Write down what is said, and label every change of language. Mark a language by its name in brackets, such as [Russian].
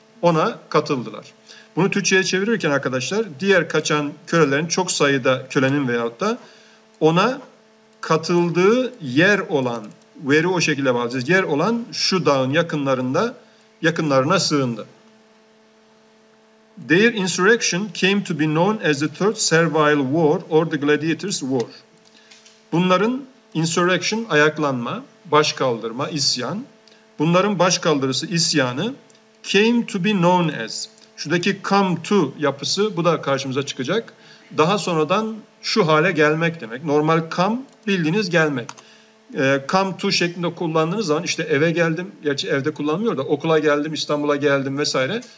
[Turkish] Ona katıldılar. Bunu Türkçe'ye çevirirken arkadaşlar, diğer kaçan kölelerin, çok sayıda kölenin veyahut da ona katıldığı yer olan, veri o şekilde bağlayacağız, yer olan şu dağın yakınlarında, yakınlarına sığındı. [English] Their insurrection came to be known as the Third Servile War or the Gladiators' War. [Turkish] Bunların insurrection, ayaklanma, başkaldırma, isyan, bunların başkaldırısı, isyanı [English] came to be known as. [Turkish] Şuradaki come to yapısı, bu da karşımıza çıkacak. Daha sonradan şu hale gelmek demek. Normal come, bildiğiniz gelmek. Come to şeklinde kullandığınız zaman, işte eve geldim, gerçi evde kullanmıyor da, okula geldim, İstanbul'a geldim vesaire.